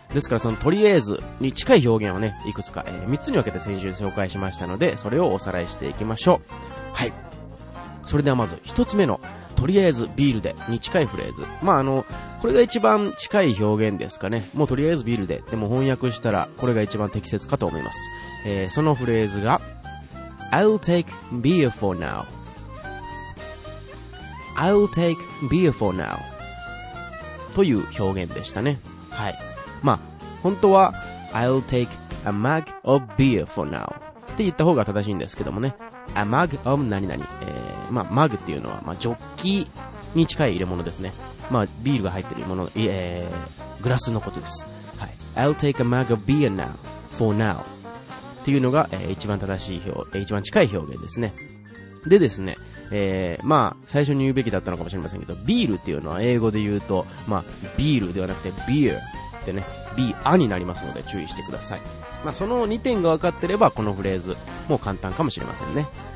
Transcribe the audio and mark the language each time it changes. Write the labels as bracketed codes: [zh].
[ja] ですからそのとりあえずに近い表現をね、いくつか、3つに分けて先週紹介しましたので、それをおさらいしていきましょう。はい。それではまず1つ目の、とりあえずビールでに近いフレーズ。まあこれが一番近い表現ですかね。もうとりあえずビールで。でも翻訳したらこれが一番適切かと思います。そのフレーズが [en] I'll take beer for now. I'll take beer for now. [ja] という表現でしたね。はい。まあ、本当は [en] I'll take a mug of beer for now. [ja] って言った方が正しいんですけどもね。 [en] A mug of 何々。 [ja] まあ、mug っていうのは、まあ、ジョッキに近い入れ物ですね。まあ、ビールが入ってるもの、グラスのことです。はい。 [en] I'll take a mug of beer now, for now. [ja] っていうのが、一番正しい表、一番近い表現ですね。でですね、まあ、最初に言うべきだったのかもしれませんけど、ビールっていうのは英語で言うと、まあ、ビールではなくて、beer ってね、beer になりますので注意してください。まあ、その2点が分かってれば、このフレーズ、もう簡単かもしれませんね。